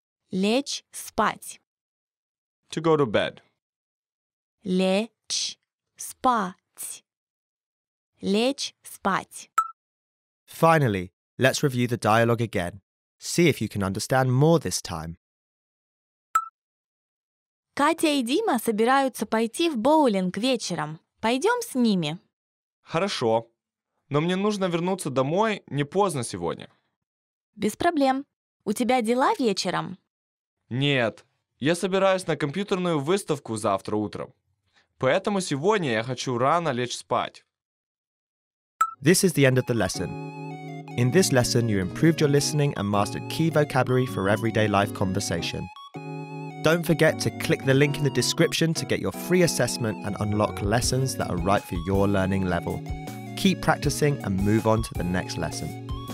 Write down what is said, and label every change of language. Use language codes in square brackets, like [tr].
[ru] Лечь спать. [en] To go to bed. [ru] Лечь спать. Лечь спать. [en] Finally, let's review the dialogue again. See if you can understand more this time. [ru] Катя и Дима собираются пойти в боулинг вечером. Пойдем с ними. Хорошо. Но мне нужно вернуться домой не поздно сегодня. Без проблем. У тебя дела вечером? Нет. Я собираюсь на компьютерную выставку завтра утром. Поэтому сегодня я хочу рано лечь спать. [en] This is the end of the lesson. In this lesson, you improved your listening and mastered key vocabulary for everyday life conversation. Don't forget to click the link in the description to get your free assessment and unlock lessons that are right for your learning level. Keep practicing and move on to the next lesson.